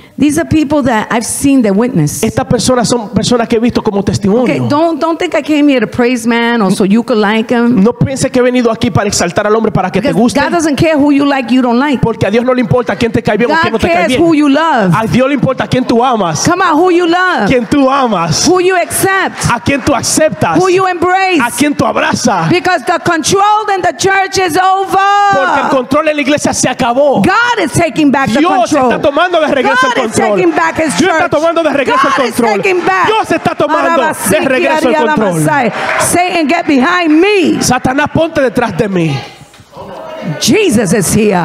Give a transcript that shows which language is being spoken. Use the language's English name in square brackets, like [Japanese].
[English] These are people that I've seen their witness. [Spanish] Estas personas son personas que he visto como testimonio. [English] Okay, don't think I came here to praise man or so you could like him. [Spanish] No piense que he venido aquí para exaltar al hombre para que te guste. [English] God doesn't care who you like, you don't like. [Spanish] Porque a Dios no le importa quién te cae bien [English] God [Spanish] o quién no te cae bien. [English] God cares who you love. [Spanish] A Dios le importa quién tú amas. [English] Come on, who you love. [Spanish] Quién tú amas. [English] Who you accept. [Spanish] A quién tú aceptas. [English] Who you embrace. [Spanish] A quién tú abrazas. [English] Because the control in the church is over. [Spanish] Porque el control en la iglesia se acabó. [English] God is taking back [Spanish] Dios [English] the control. [Spanish] Dios está tomando de regreso [English] God taking back his church. [Spanish] Dios está tomando de regreso [English] God [Spanish] el control. [English] Is taking back. [Spanish] Dios está tomando de regreso el control. [English] Satan, get behind me. [Spanish] Satanás, ponte detrás de mí. [English] Jesus is here.